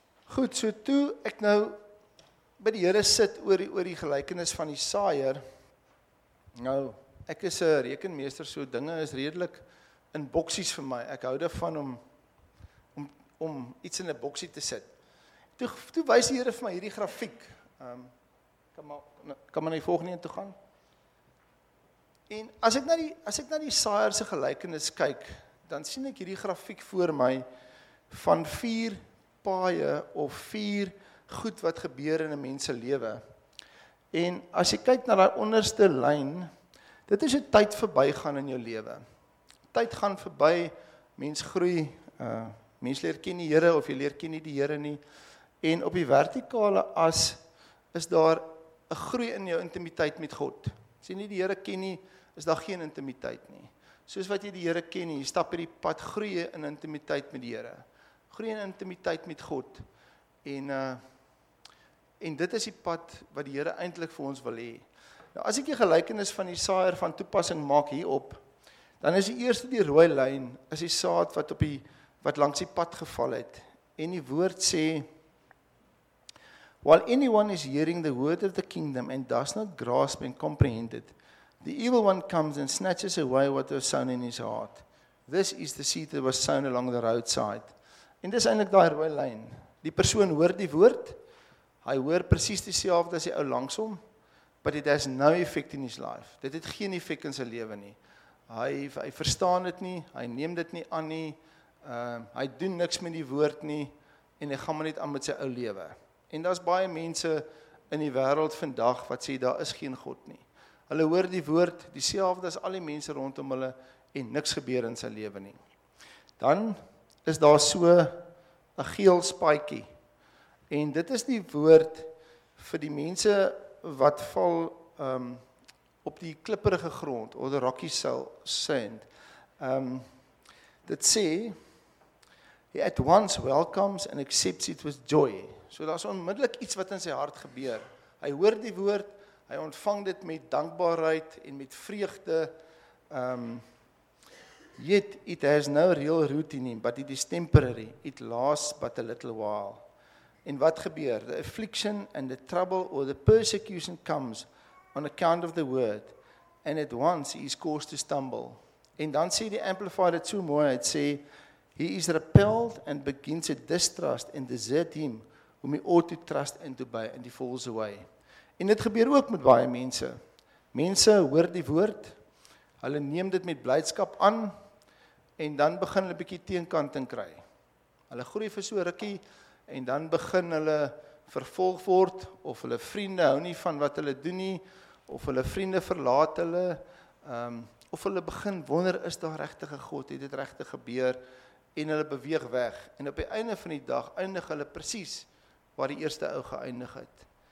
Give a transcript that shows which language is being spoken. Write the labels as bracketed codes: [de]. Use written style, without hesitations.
[af] Goed, so toe ek nou by die Here sit oor die gelykenis van die saaier, nou, ek is 'n rekenmeester, so dinge is redelik in boksies vir my. Ek hou daarvan om iets in 'n boksie te sit. Toe wys die Here vir my hierdie grafiek. Kan maar na die volgende een toe gaan. En as ek na die saaier se gelykenis kyk, dan sien ek hierdie grafiek voor my van vier paaie of vier goed wat gebeur in 'n mens se lewe. En as jy kyk na daai onderste lyn, dit is 'n tyd verbygaan in jou lewe. Tyd gaan verby, mens groei, mens leer ken die Here of jy leer ken nie die Here nie. En op die vertikale as is daar 'n groei in jou intimiteit met God. As jy nie die Here ken nie, is daar geen intimiteit nie. Soos wat jy die Here ken nie, stap jy die pad groei in intimiteit met die Here. Groei in intimiteit met God. En dit is die pad wat die Here eintlik vir ons wil hê. Nou, as ek die gelykenis van die saaier van toepassing maak hierop, dan is die eerste die rooi lyn, is die saad wat langs die pad geval het. En die woord sê, [en] while anyone is hearing the word of the kingdom and does not grasp and comprehend it, the evil one comes and snatches away what was sown in his heart. This is the seed that was sown along the roadside. [af] En dis eintlik daai rooi lyn. Die persoon hoor die woord, hy hoor presies dieselfde as die ou langs hom, [en] but it has no effect in his life. [af] Dit het geen effek in sy lewe nie. Hy verstaan dit nie, hy neem dit nie aan nie, hy doen niks met die woord nie, en hy gaan maar net aan met sy ou lewe. En daar's baie mense in die wêreld vandag wat sê daar is geen God nie. Hulle hoor die woord, dieselfde as al die mense rondom hulle, en niks gebeur in sy lewe nie. Dan is daar so 'n geel spaadjie. En dit is die woord vir die mense wat val op die klipperige grond, [en] of the rocky sand. [af] Dit sê, [en] he at once welcomes and accepts it with joy. [af] So daar is onmiddellik iets wat in sy hart gebeur. Hy hoor die woord, hy ontvang dit met dankbaarheid en met vreugde. [en] Yet it has no real root in him, but it is temporary. It lasts but a little while. [af] En wat gebeur? [en] The affliction and the trouble or the persecution comes on account of the word, and at once he is caused to stumble. [af] En dan sê die Amplified het so mooi, het sê, [en] He is repelled and begins to distrust and desert him whom he ought to trust and to obey, and he falls away. [af] En dit gebeur ook met baie mense. Mense hoor die woord, hulle neem dit met blydskap aan, en dan begin hulle 'n bietjie teenkanting kry. Hulle groei vir so 'n rukkie, en dan begin hulle vervolg word, of hulle vriende hou nie van wat hulle doen nie, of hulle vriende verlaat hulle, of hulle begin wonder, is daar regtig 'n God, het dit regtig gebeur, en hulle beweeg weg, en op die einde van die dag, eindig hulle precies, waar die eerste ou geëindig het.